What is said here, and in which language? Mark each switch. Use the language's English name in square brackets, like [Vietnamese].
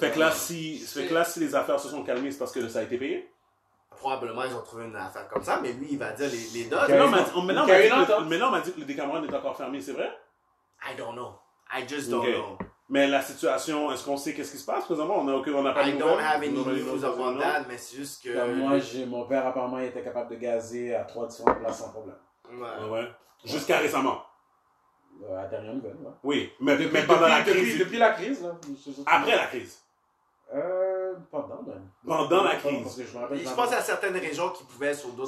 [French] Fait que là, si les affaires se sont calmées, c'est parce que ça a été payé? Probablement, ils ont trouvé une affaire comme ça, mais lui, il va dire les notes. Maintenant, on m'a dit que le Decameron est encore fermé, c'est vrai? [English] I don't know. I just don't know. [French] Mais la situation, est-ce qu'on sait qu'est-ce qui se passe présentement? On n'a pas de nouvelles. [English] I don't have any news of that, [French] mais c'est juste que... Moi, mon père, apparemment, il était capable de gazer à trois différentes places sans problème. Ouais. Jusqu'à récemment. À la dernière nouvelle, ouais. Oui, mais, depuis, mais pendant depuis, la crise. Depuis la crise, là. Après la crise. Pendant même. Pendant la crise. Parce que je pense à certaines régions qui pouvaient sur d'autres.